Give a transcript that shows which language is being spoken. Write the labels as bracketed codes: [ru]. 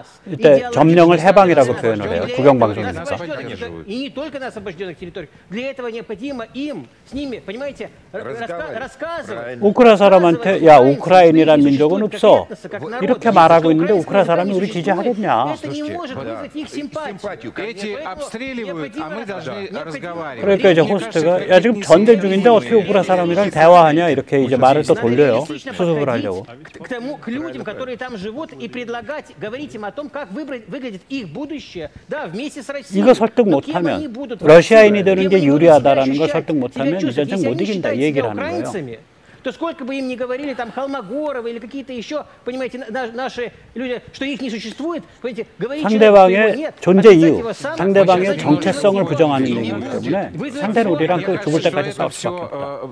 [ko] 이때 점령을 해방이라고 표현을 해요. 국영방송이니까. [ru] И не только на освобожденных территориях. Для этого необходимо им, с ними, понимаете, рассказывать. [ko] 우크라 사람한테 야, 우크라인이란 민족은 없어. 이렇게 말하고 있는데 우크라 사람이 우리 지지하겠냐. [ru] Эти обстреливают, а мы должны разговаривать. [ko] 그러니까 이제 호스트가 야, 지금 전쟁 중인데 어떻게 우크라 사람이랑 대화하냐? 이렇게 이제 말을 또 돌려요. 수습을 하려고. [ru] К людям, которые там живут и предлагать, говорить им о том, как выглядит их будущее, да, вместе с Россией. [ko] 이거 설득 못하면, 러시아인이 되는 게 유리하다라는 걸 설득 못하면 이제는 못 이긴다 얘기를 하는 거예요. [ru] То сколько бы им ни говорили, там, Холмогоровы или какие-то еще, понимаете, наши люди, что их не существует, понимаете, говорить человеку его нет. [ko] 존재 이유, 상대방의 정체성을 부정하는 것 때문에 상대는 우리랑 그 죽을 때까지 싸울 수밖에 없다.